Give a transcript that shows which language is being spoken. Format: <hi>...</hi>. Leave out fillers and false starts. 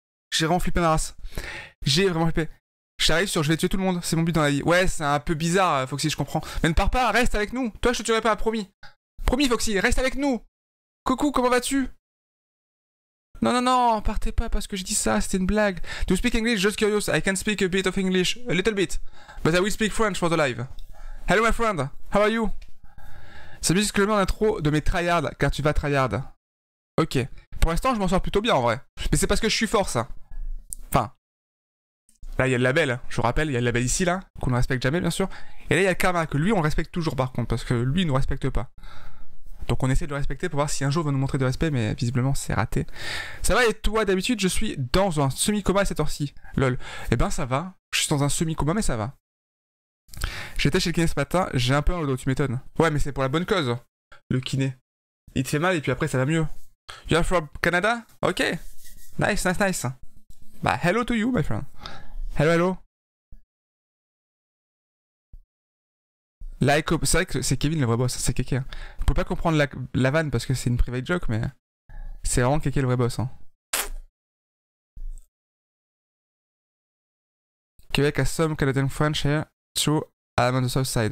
<fr>J'ai vraiment flippé ma race. J'ai vraiment flippé. J'arrive sur, je vais tuer tout le monde. C'est mon but dans la vie. Ouais, c'est un peu bizarre, Foxy, je comprends. Mais ne pars pas, reste avec nous. Toi, je te tuerai pas, promis. Promis, Foxy, reste avec nous. Coucou, comment vas-tu? Non, non, non, partez pas parce que j'ai dit ça, c'était une blague.</fr> <en>Do you speak English? Just curious. I can speak a bit of English. A little bit. But I will speak French for the live. Hello my friend, how are you?</en> <fr>C'est juste que je mets en intro de mes tryhards, car tu vas tryhard. Ok. Pour l'instant, je m'en sors plutôt bien en vrai. Mais c'est parce que je suis fort, ça. Enfin. Là, il y a le label. Je vous rappelle, il y a le label ici, là, qu'on ne respecte jamais, bien sûr. Et là, il y a le karma, que lui, on respecte toujours, par contre, parce que lui, il ne nous respecte pas. Donc on essaie de le respecter pour voir si un jour il va nous montrer de respect, mais visiblement c'est raté. Ça va et toi d'habitude, je suis dans un semi-coma à cette heure-ci. Lol. Eh ben ça va, je suis dans un semi-coma mais ça va. J'étais chez le kiné ce matin, j'ai un peu mal au dos, tu m'étonnes. Ouais mais c'est pour la bonne cause, le kiné. Il te fait mal et puis après ça va mieux.</fr> <en>You're from Canada? Ok. Nice, nice, nice. Bah, hello to you, my friend. Hello, hello.</en> <fr>Like, c'est vrai que c'est Kevin le vrai boss, c'est Keke. Vous pouvez pas comprendre la vanne parce que c'est une private joke, mais c'est vraiment Keke le vrai boss. Hein.</fr> <en>Québec a some Canadian French here to I'm on the south side.</en>